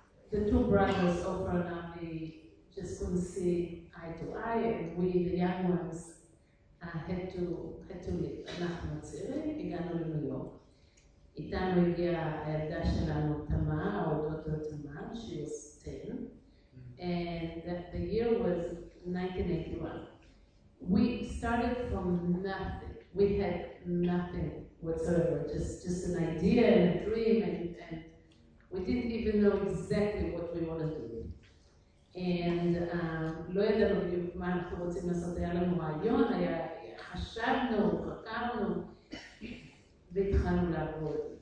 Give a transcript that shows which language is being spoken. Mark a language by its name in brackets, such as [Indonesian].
[English] The two brothers, עופר and אבי, just couldn't see eye to eye, and we, the young ones, had to live. [Hebrew] אנחנו הצעירים, הגענו לניו יורק. איתנו הגיעה הילדה שלנו, תמר, או דוקטור תמר, שהיא סטן. [English] And the year was 1981. We started from nothing. We had nothing whatsoever, just an idea and a dream, and we didn't even know exactly what we wanted to do. [Hebrew] And לא ידענו בדיוק מה אנחנו רוצים לעשות, היה לנו רעיון, חשבנו, חקרנו, והתחלנו לעבוד.